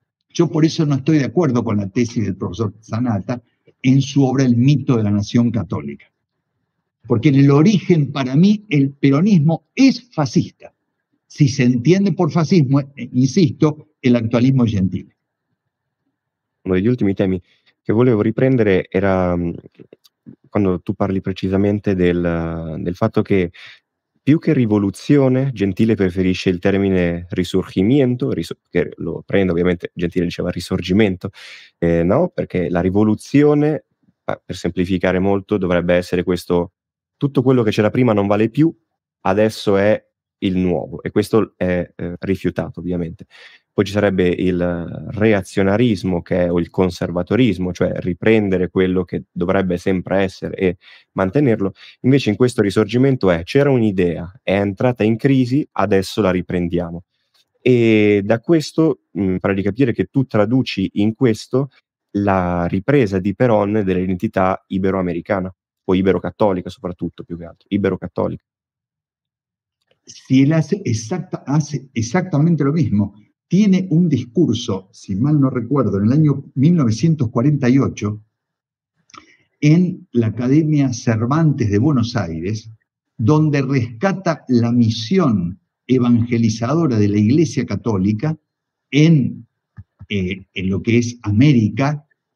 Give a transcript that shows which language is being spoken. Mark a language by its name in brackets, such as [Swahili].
[Spanish] Yo por eso no estoy de acuerdo con la tesis del profesor Sanata en su obra El mito de la nación católica. Porque en el origen, para mí, el peronismo es fascista. Si se entiende por fascismo, insisto, el actualismo gentile. [Italian] Uno degli ultimi temi che volevo riprendere era quando tu parli precisamente del fatto che più che rivoluzione, Gentile preferisce il termine risorgimento, che lo prende ovviamente, Gentile diceva risorgimento, no? Perché la rivoluzione, per semplificare molto, dovrebbe essere questo: tutto quello che c'era prima non vale più, adesso è il nuovo, e questo è rifiutato ovviamente. Poi ci sarebbe il reazionarismo, che è, o il conservatorismo, cioè riprendere quello che dovrebbe sempre essere e mantenerlo. Invece in questo risorgimento c'era un'idea, è entrata in crisi, adesso la riprendiamo. E da questo farai capire che tu traduci in questo la ripresa di Perón dell'identità iberoamericana. O ibero-cattolica, soprattutto, più che altro, ibero-cattolica. [Spanish] Si él hace exactamente lo mismo. Tiene un discurso, si mal no recuerdo, en el año 1948, en la Academia Cervantes de Buenos Aires, donde rescata la misión evangelizadora de la Iglesia Católica en lo que es América,